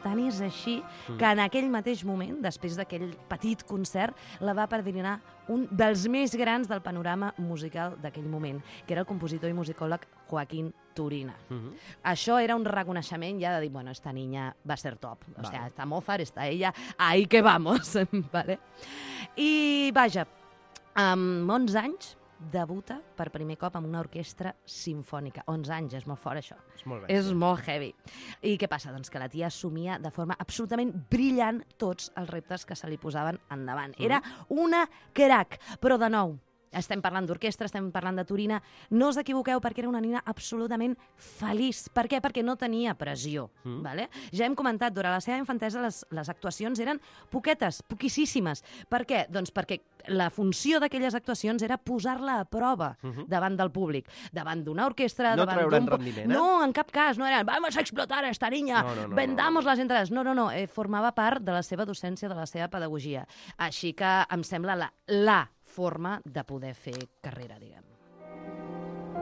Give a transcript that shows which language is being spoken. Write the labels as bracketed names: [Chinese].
[Catalan] Tant és així que en aquell mateix moment, després d'aquell petit concert, la va perdinar un dels més grans del panorama musical d'aquell moment, que era el compositor i musicòleg Joaquín Turina. Això era un reconeixement ja de dir, [Spanish] bueno, esta niña [Catalan] va ser top. [Spanish] O sea, está Mozart, está ella, ahí que vamos. [Catalan] Vale. I vaja, amb 11 anys... debuta per primer cop amb una orquestra simfònica. 11 anys, és molt fort, això. És molt bé. És molt heavy. I què passa? Doncs que la tia assumia de forma absolutament brillant tots els reptes que se li posaven endavant. Era una crac, però de nou, Estem parlant d'orquestra, estem parlant de Turina. No us equivoqueu, perquè era una nina absolutament feliç. Per què? Perquè no tenia pressió. Vale? Ja hem comentat, durant la seva infantesa les actuacions eren poquetes, poquíssimes. Per què? Doncs perquè la funció d'aquelles actuacions era posar-la a prova davant del públic, davant d'una orquestra... No davant treure'n rendiment, eh? No, en cap cas, no era [Spanish] «Vamos a explotar a esta niña, vendamos las entradas». [Catalan] No, no, no, formava part de la seva docència, de la seva pedagogia. Així que em sembla la forma de poder fer carrera, diguem.